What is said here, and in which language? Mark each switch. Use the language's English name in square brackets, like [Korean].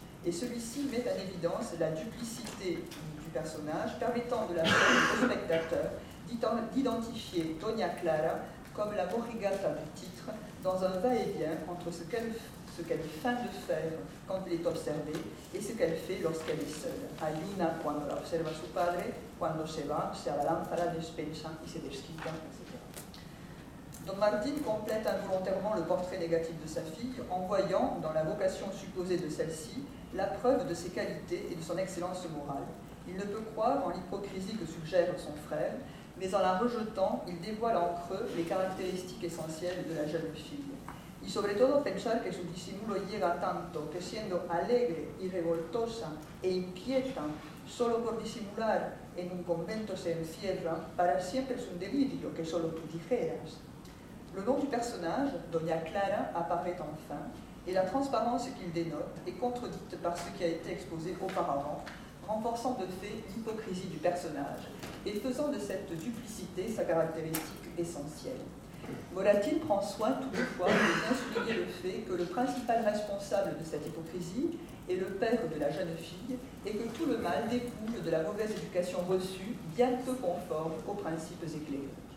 [French] Et celui-ci met en évidence la duplicité du personnage, permettant de la faire au spectateur d'identifier Doña Clara comme la morigata du titre dans un va-et-vient entre ce qu'elle feint de faire quand elle est observée et ce qu'elle fait lorsqu'elle est seule. [Spanish] Ayuna cuando la observa su padre, cuando se va, se abalanza la despensa y se desquita, etc. [French] Don Martín complète involontairement le portrait négatif de sa fille en voyant, dans la vocation supposée de celle-ci, la preuve de ses qualités et de son excellence morale. Il ne peut croire en l'hypocrisie que suggère son frère, mais en la rejetant, il dévoile en creux les caractéristiques essentielles de la jeune fille. [Spanish] Y sobre todo pensar que su disimulo llega tanto que siendo alegre y revoltosa e inquieta solo por disimular en un convento se encierra, para siempre es un delirio que solo tú dijeras. [French] Le nom du personnage, Doña Clara, apparaît enfin, et la transparence qu'il dénote est contredite par ce qui a été exposé auparavant, renforçant de fait l'hypocrisie du personnage et faisant de cette duplicité sa caractéristique essentielle. Moratín prend soin toutefois de bien souligner le fait que le principal responsable de cette hypocrisie est le père de la jeune fille et que tout le mal découle de la mauvaise éducation reçue, bien peu conforme aux principes éclairés.